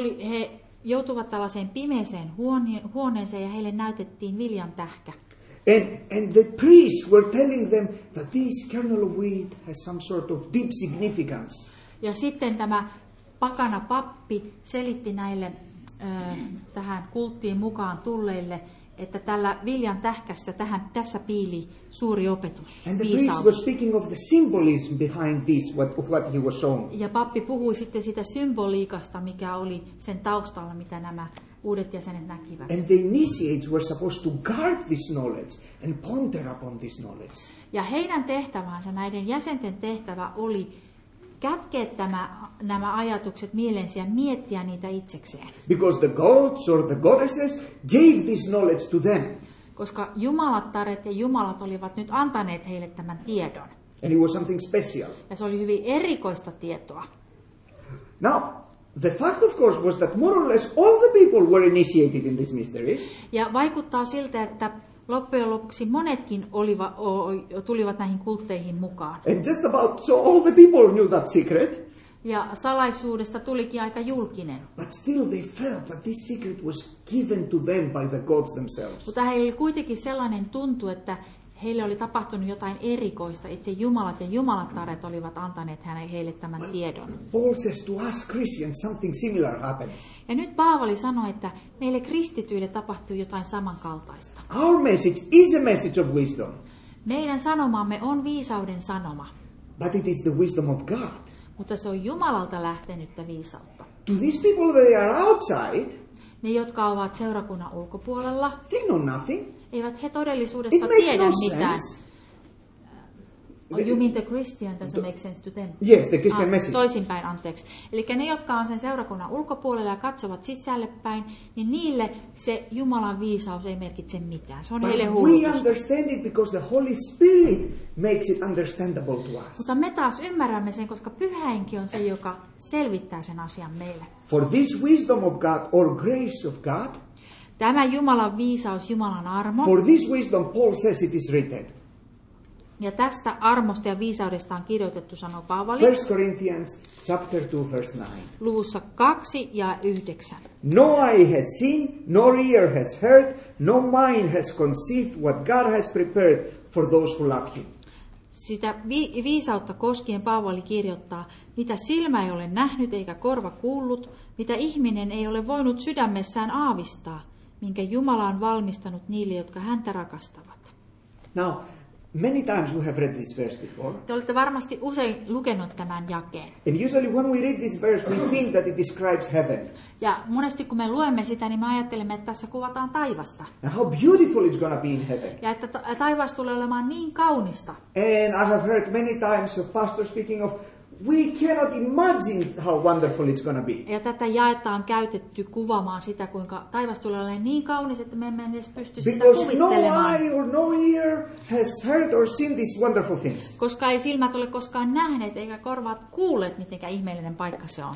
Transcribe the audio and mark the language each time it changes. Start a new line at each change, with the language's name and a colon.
Finnish: He joutuvat tällaiseen pimeiseen huoneeseen, ja heille näytettiin viljan tähkä.
English: And the priests were telling them that this kernel of wheat has some sort of deep significance.
Finnish: Ja sitten tämä pakana pappi selitti näille tähän kulttiin mukaan tulleille, että tällä viljan tähkässä tässä piili suuri opetus.
English: And the priest was speaking of the symbolism behind this, what he was shown.
Finnish: Ja pappi puhui sitten sitä symboliikasta, mikä oli sen taustalla, mitä nämä uudet jäsenet näkivät.
English: And the initiates were supposed to guard this knowledge and ponder upon this knowledge.
Finnish: Ja heidän tehtävänsä, näiden jäsenten tehtävä oli kätkeä nämä ajatukset mielensä ja miettiä niitä itsekseen.
English: Because the gods or the goddesses gave this knowledge to them.
Finnish: Koska jumalattaret ja jumalat olivat nyt antaneet heille tämän tiedon.
English: And it was something special.
Finnish: Ja se oli hyvin erikoista tietoa.
English: Now, the fact of course was that more or less all the people were initiated in these mysteries.
Finnish: Ja vaikuttaa siltä, että loppujen lopuksi monetkin tulivat näihin kultteihin mukaan.
English: And just about so all the people knew that secret.
Finnish: Ja salaisuudesta tulikin aika julkinen.
English: But still they felt that this secret was given to them by the gods themselves.
Finnish: Mutta heillä oli kuitenkin sellainen tuntu, että heille oli tapahtunut jotain erikoista, itse jumalat ja jumalattaret olivat antaneet heille tämän tiedon.
English: Paul says to us Christians something similar happens.
Finnish: Ja nyt Paavali sanoi, että meille kristityille tapahtuu jotain samankaltaista.
English: Our message is a message of wisdom.
Finnish: Meidän sanomamme on viisauden sanoma.
English: But it is the wisdom of God.
Finnish: Mutta se on Jumalalta lähtenyttä viisautta.
English: To these people that are outside,
Finnish: ne jotka ovat seurakunnan ulkopuolella,
English: they know nothing.
Finnish: Eivät he todellisuudessa tiedä mitään.
English: You mean the Christian, doesn't make sense to them? Yes, the Christian message.
Finnish: Toisinpäin, anteeksi. Eli ne, jotka on sen seurakunnan ulkopuolella ja katsovat sisälle päin, niin niille se Jumalan viisaus ei merkitse mitään. Se on
English: but
Finnish: heille hullutusta.
English: We understand it because the Holy Spirit makes it understandable to us.
Finnish: Mutta me taas ymmärrämme sen, koska Pyhä Henki on se, joka selvittää sen asian meille.
English: For this wisdom of God or grace of God,
Finnish: tämä Jumalan viisaus, Jumalan armo.
English: For this wisdom, Paul says it is written.
Finnish: Ja tästä armosta ja viisaudesta on kirjoitettu, sanoo Paavali.
English: 1 Corinthians chapter 2 verse 9.
Finnish: Luvussa 2 ja 9.
English: No eye has seen, nor ear has heard, no mind has conceived what God has prepared for those who love him.
Finnish: Sitä viisautta koskien Paavali kirjoittaa, mitä silmä ei ole nähnyt eikä korva kuullut, mitä ihminen ei ole voinut sydämessään aavistaa, minkä Jumala on valmistanut niille, jotka häntä rakastavat.
English: Now, many times we have read this verse before.
Finnish: Te olette varmasti usein lukenut tämän jakeen.
English: And usually when we read this verse, we think that it describes heaven.
Finnish: Ja monesti kun me luemme sitä, niin me ajattelemme, että tässä kuvataan taivasta.
English: And how beautiful it's gonna be in heaven.
Finnish: Ja että taivas tulee olemaan niin kaunista.
English: And I have heard many times a pastor speaking of, we cannot imagine how wonderful it's gonna be.
Finnish: Ja tätä jaetta on käytetty kuvaamaan sitä, kuinka taivas tulee olemaan niin kaunis, että me emme edes pysty sitä kuvittelemaan.
English: Because no eye or no ear has heard or seen these wonderful things.
Finnish: Koska ei silmät ole koskaan nähneet eikä korvat kuulleet, mitenkä ihmeellinen paikka se on.